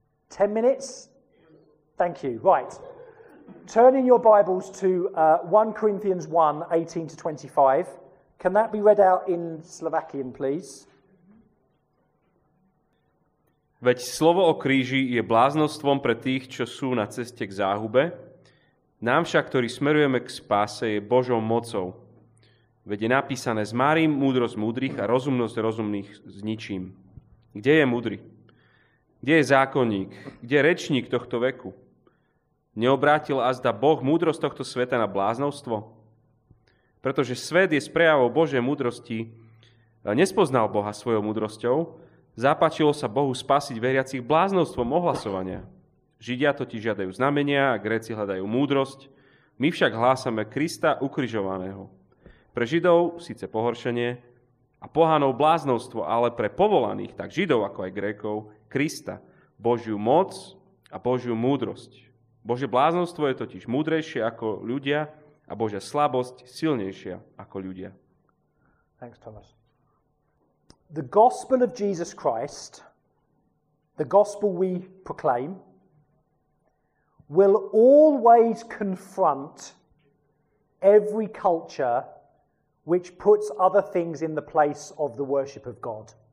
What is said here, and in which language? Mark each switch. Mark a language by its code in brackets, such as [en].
[en] 10 minutes? Thank you. Right. Turn in your Bibles to 1 Corinthians 1:18 to 25. Can that be read out in Slovakian, please? [sk] Veď slovo o kríži je bláznostvom pre tých, čo sú na ceste k záhube. Nám však, ktorí smerujeme k spáse, je Božou mocou. Veď je napísané, zmárim múdrosť múdrych a rozumnosť rozumných zničím. Kde je múdry? Kde je zákonník? Kde je rečník tohto veku? Neobrátil azda Boh múdrosť tohto sveta na bláznostvo? Pretože svet je sprejavou Božej múdrosti, nespoznal Boha svojou múdrosťou, zapáčilo sa Bohu spasiť veriacich bláznostvom ohlasovania. Židia totiž žiadajú znamenia a Gréci hľadajú múdrosť. My však hlásame Krista ukrižovaného. Pre Židov síce pohoršenie a pohanov bláznostvo, ale pre povolaných, tak Židov ako aj Grékov, Krista, Božiu moc a Božiu múdrosť. Božie bláznostvo je totiž múdrejšie ako ľudia a Božia slabosť silnejšia ako ľudia. [en] Thanks, Thomas. The gospel of Jesus Christ, the gospel we proclaim, will always confront every culture which puts other things in the place of the worship of God.